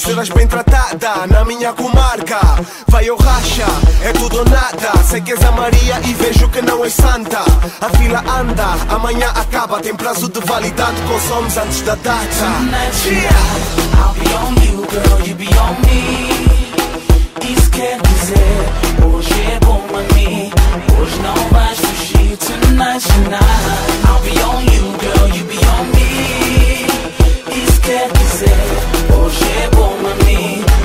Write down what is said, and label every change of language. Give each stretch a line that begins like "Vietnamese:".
Portuguese: Serás bem tratada na minha comarca. Vai ou racha, é tudo ou nada. Sei que és a Maria e vejo que não és santa. A fila anda, amanhã acaba. Tem prazo de validade, consomes antes da data.
English: Tonight, tonight, I'll be on you, girl, you be on me.
Portuguese: Isso quer dizer, hoje é bom a mim. Hoje não vais fugir.
English: Tonight, tonight, I'll be on you, girl, you be on me.
Portuguese: Isso quer dizer, hoje é bom a mim.